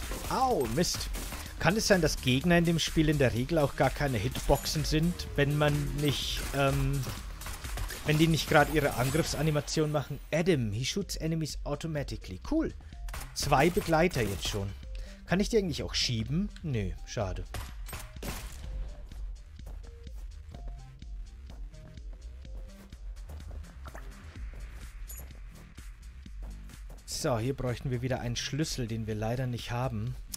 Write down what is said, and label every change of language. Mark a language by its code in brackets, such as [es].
[de] Au, Mist. Kann es sein, dass Gegner in dem Spiel in der Regel auch gar keine Hitboxen sind, wenn man nicht, wenn die nicht gerade ihre Angriffsanimation machen. [en] Adam, he shoots enemies automatically. Cool. [de] Zwei Begleiter jetzt schon. Kann ich die eigentlich auch schieben? Nö, schade. So, hier bräuchten wir wieder einen Schlüssel, den wir leider nicht haben.